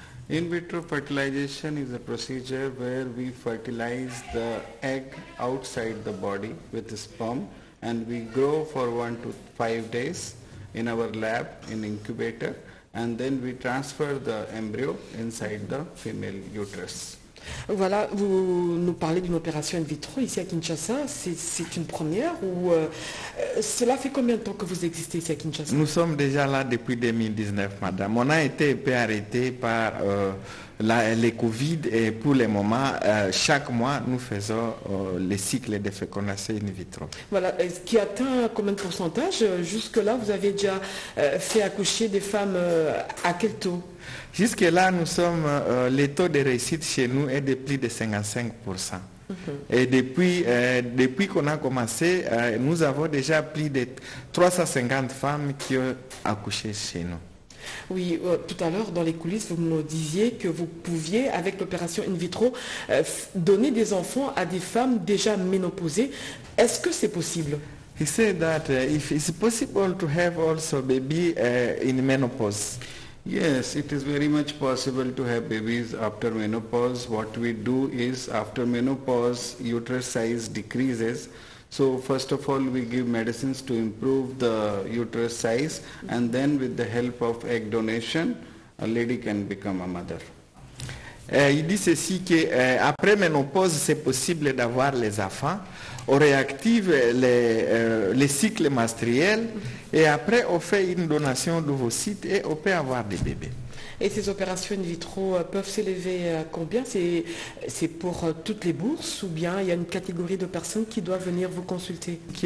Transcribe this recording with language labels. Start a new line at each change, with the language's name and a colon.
English: In vitro fertilization is a procedure where we fertilize the egg outside the body with the sperm and we grow for 1 to 5 days in our lab in incubator, and then we transfer the embryo inside the female uterus.
French: Voilà, vous nous parlez d'une opération in vitro ici à Kinshasa, c'est une première ou cela fait combien de temps que vous existez ici à Kinshasa? Nous sommes déjà là depuis 2019, madame. On a été un peu arrêté par les Covid et pour le moment, chaque mois, nous faisons les cycles de fécondation in vitro. Voilà, ce qui atteint combien de pourcentage? Jusque-là, vous avez déjà fait accoucher des femmes à quel taux? Jusque-là, nous sommes, le taux de réussite chez nous est de plus de 55%. Mm-hmm. Et depuis qu'on a commencé, nous avons déjà plus de 350 femmes qui ont accouché chez nous. Oui, tout à l'heure, dans les coulisses, vous me disiez que vous pouviez, avec l'opération in vitro, donner des enfants à des femmes déjà ménopausées. Est-ce que c'est possible?
English: He said that if it's possible to have also baby in menopause. Yes, it is very much possible to have babies after menopause. What we do is, after menopause, uterus size decreases. So first of all, we give medicines to improve the uterus size, and then with the help of egg donation, a lady can become a mother.
French: Il dit ceci que après menopause, c'est possible d'avoir les enfants. On réactive les cycles menstruels et après on fait une donation d'ovocytes et on peut avoir des bébés. Et ces opérations in vitro peuvent s'élever à combien? C'est pour toutes les bourses ou bien il y a une catégorie de personnes qui doivent venir vous consulter?